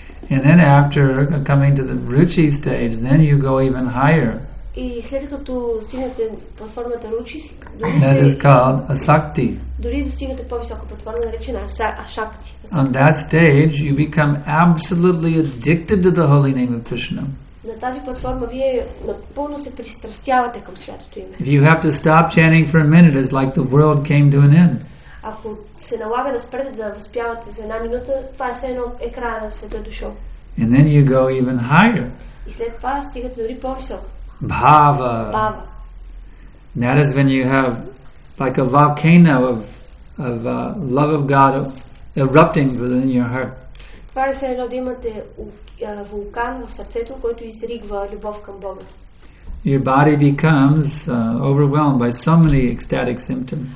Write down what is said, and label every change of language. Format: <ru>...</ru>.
<en>And then after coming to the ruchi stage, then you go even higher.</en> <bg>И след като стигнете платформата ручи,</bg> <en>that is called asakti.</en> <bg>Дори достигнете по-висока платформа, наречена ашакти.</bg> <en>On that stage, you become absolutely addicted to the holy name of Krishna.</en> <bg>На тази платформа вие напълно се пристрастявате към святото име.</bg> <en>If you have to stop chanting for a minute, it's like the world came to an end.</en> <bg>Ако се налага да спрете да възпявате за една минута, това е все едно екрана на света дошъл.</bg> <en>And then you go even higher.</en> <bg>И след това стигате дори по-високо.</bg> <sa>Bhava. Bhava.</sa> <en>That is when you have like a volcano of love of God erupting within your heart.</en> <bg>Това е все едно да имате вулкан в сърцето, който изригва любов към Бога.</bg> <en>Your body becomes overwhelmed by so many ecstatic symptoms.</en>